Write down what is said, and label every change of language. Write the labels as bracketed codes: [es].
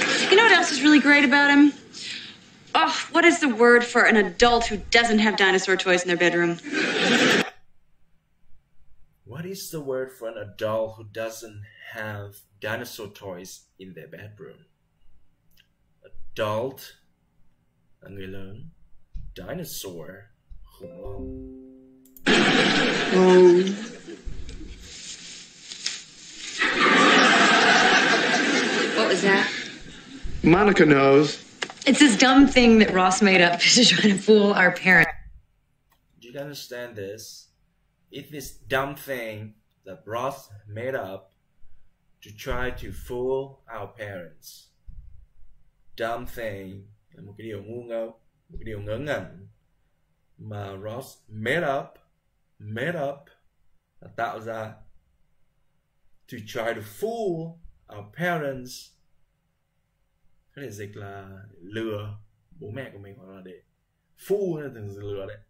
[en] You know what else is really great about him? Oh, what is the word for an adult who doesn't have dinosaur toys in their bedroom? What is the word for an adult who doesn't have dinosaur toys in their bedroom? [vi] Adult, là người lớn, dinosaur, khủng long. [en] What was that? Monica knows. It's this dumb thing that Ross made up to try to fool our parents. Do you understand this? It's this dumb thing that Ross made up to try to fool our parents. [vi] Dumb thing là một cái điều ngu ngơ, một cái điều ngớ ngẩn mà Ross made up là tạo ra [en] to try to fool our parents. [vi] Có thể dịch là lừa bố mẹ của mình hoặc là để fool là từng lừa đấy.